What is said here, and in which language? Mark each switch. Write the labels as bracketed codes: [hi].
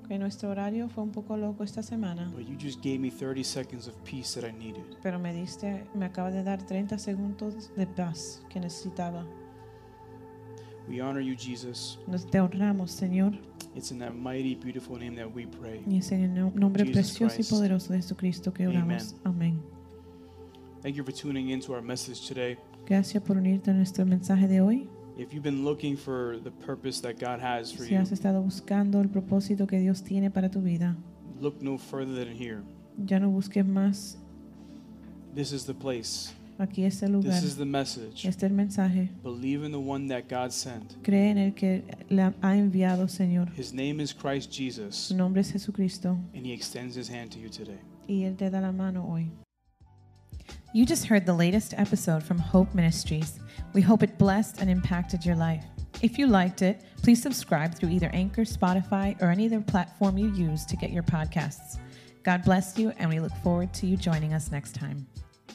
[es] Que nuestro horario fue un poco loco esta semana. [en] But you just gave me 30 seconds of peace that I needed. [es] Pero me acaba de dar 30 segundos de paz que necesitaba. [en] We honor you, Jesus. [es] Nos te honramos, Señor. [en] It's in that mighty, beautiful name that we pray. [es] Y es en el nombre precioso y poderoso de Jesucristo que oramos. Amén. [en] Thank you for tuning into our message today. [es] Gracias por unirte a nuestro mensaje de hoy. [en] If you've been looking for the purpose that God has for you, [es] si has estado buscando el propósito que Dios tiene para tu vida, [en] look no further than here. [es] Ya no busques más. [en] This is the place. [es] Aquí es el lugar. [en] This is the message. [es] Este es el mensaje. [en] Believe in the one that God sent. [es] Cree en el que le ha enviado, Señor. [en] His name is Christ Jesus. [es] Su nombre es Jesucristo. [en] And he extends his hand to you today. [es] Y él te da la mano hoy. [en] You just heard the latest episode from Hope Ministries. We hope it blessed and impacted your life. If you liked it, please subscribe through either Anchor, Spotify, or any other platform you use to get your podcasts. God bless you, and we look forward to you joining us next time.